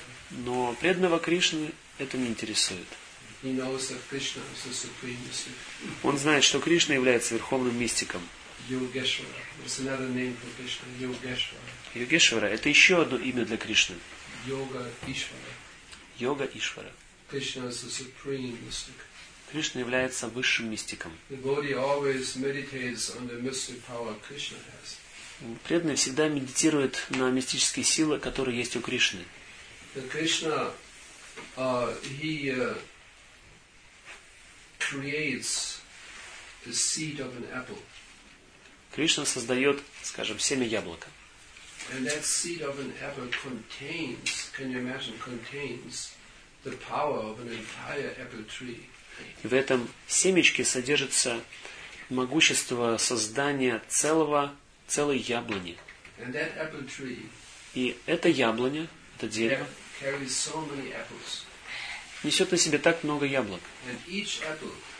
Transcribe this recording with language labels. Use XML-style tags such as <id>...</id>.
<ru>Но преданного Кришны это не интересует.</ru> <en>He knows that Krishna is the supreme mystic.</en> <ru>Он знает, что Кришна является верховным мистиком. Йогешвара. Это еще одно имя для Кришны. Йога Ишвара. Йога Ишвара.</ru> <en>Krishna is the supreme mystic.</en> <ru>Кришна является высшим мистиком. Преданный всегда медитирует на мистические силы, которые есть у Кришны.</ru> <en>Кришна, creates the seed of an apple.</en> <ru>Кришна создает, скажем, семя яблока.</ru> <en>And that seed of an apple contains, can you imagine, contains the power of an entire apple tree.</en> <ru>И в этом семечке содержится могущество создания целой яблони.</ru> <en>And that apple tree,</en> <ru>и это яблоня, это дерево,</ru> <en>carries so many apples.</en> <ru>Несет на себе так много яблок.</ru> <en>And each apple,</en>